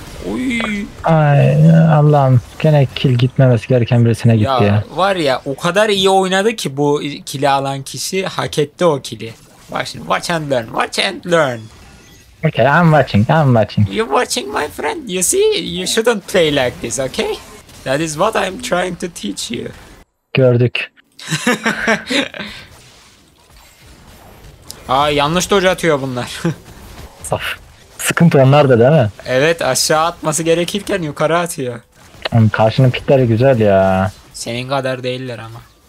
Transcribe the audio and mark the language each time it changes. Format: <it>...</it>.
<tr>Oy. Ay Allah'ım, gene kill gitmemesi gereken birisine gitti ya. Var ya, o kadar iyi oynadı ki bu kill'i alan kişi, hak etti o kill'i. Bak şimdi,</tr> <en>watch and learn. Okay, I'm watching. You're watching my friend, you see? You shouldn't play like this, okay? That is what I'm trying to teach you.</en> <tr>Gördük. Aa, yanlış doge atıyor bunlar. Saf. Sıkıntı onlar da değil mi? Evet, aşağı atması gerekirken yukarı atıyor. Karşının pikleri güzel ya. Senin kadar değiller ama.</tr>